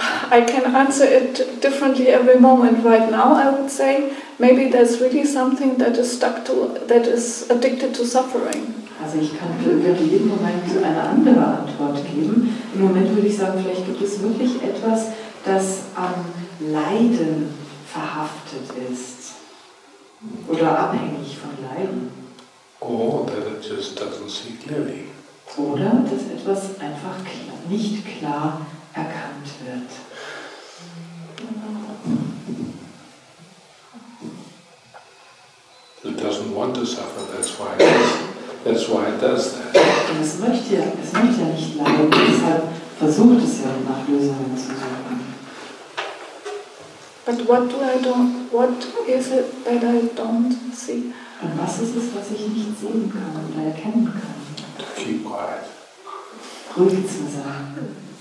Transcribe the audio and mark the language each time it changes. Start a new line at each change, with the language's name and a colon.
English: I can answer it differently every moment. Right now, I would say maybe there's really something that is stuck to, that is addicted to suffering.
German: Also ich kann wirklich jeden Moment eine andere Antwort geben. Im Moment würde ich sagen, vielleicht gibt es wirklich etwas, das am Leiden verhaftet ist oder abhängig von Leiden.
English: Or that it just doesn't see clearly.
German: Oder dass etwas einfach nicht klar erkannt wird.
English: It doesn't want to suffer, that's why it does that.
German: Und es möchte ja nicht leiden, deshalb versucht es ja nach Lösungen zu suchen.
English: But what is it that I don't see?
German: Und was ist es, was ich nicht sehen kann oder erkennen kann?
English: To keep quiet.
German: Ruhig zu sein.